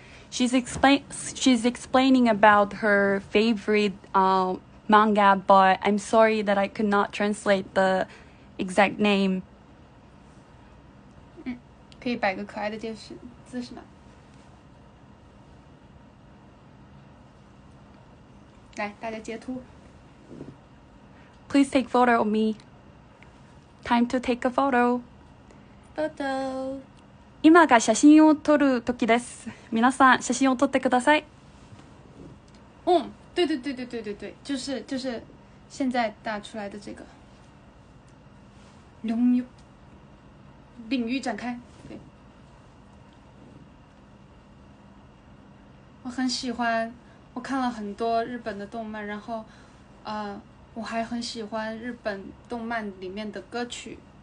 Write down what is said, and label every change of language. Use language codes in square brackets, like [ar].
[en] She's explaining about her favorite manga, but I'm sorry that I could not translate the exact name. [zh] 可以摆个可爱的电视姿势吗？来，大家截图。 [en] Please take photo of me. Time to take a photo. Photo. [ja] 今が写真を撮る時です。皆さん、写真を撮ってください。 [zh] 对，就是现在打出来的这个。领域，领域展开。我很喜欢，我看了很多日本的动漫，然后我还很喜欢日本动漫里面的歌曲。